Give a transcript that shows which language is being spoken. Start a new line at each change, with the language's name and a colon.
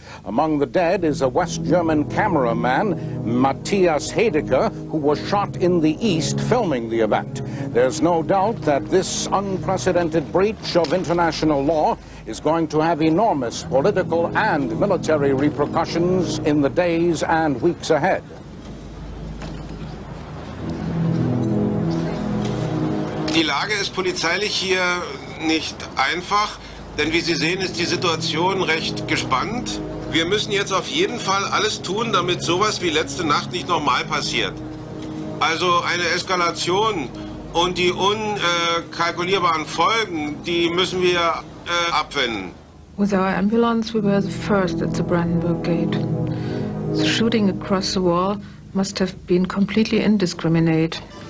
English: Among the dead is a West German cameraman, Matthias Haedeker, who was shot in the East filming the event. There's no doubt that this unprecedented breach of international law is going to have enormous political and military repercussions in the days and weeks ahead.
German: Die Lage ist polizeilich hier nicht einfach, denn wie Sie sehen, ist die Situation recht gespannt. Wir müssen jetzt auf jeden Fall alles tun, damit sowas wie letzte Nacht nicht nochmal passiert. Also eine Eskalation und die unkalkulierbaren Folgen, die müssen wir abwenden.
English: With our ambulance, we were the first at the Brandenburg Gate. The shooting across the wall must have been completely indiscriminate.